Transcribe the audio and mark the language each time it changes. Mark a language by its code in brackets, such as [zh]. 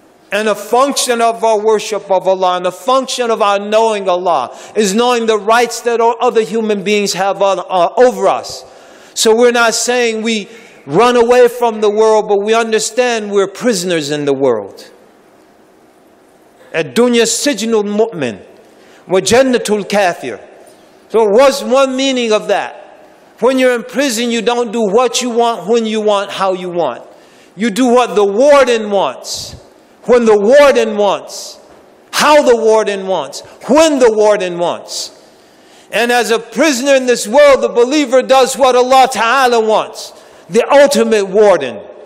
[en] And a function of our worship of Allah and a function of our knowing Allah is knowing the rights that all other human beings have over us. So we're not saying we run away from the world, but we understand we're prisoners in the world. [ar] الدنيا سجن المؤمن وجنة الكافر. [en] So what's one meaning of that? When you're in prison, you don't do what you want, when you want, how you want. You do what the warden wants. When the warden wants, how the warden wants, when the warden wants. And as a prisoner in this world, the believer does what Allah Ta'ala wants, the ultimate warden.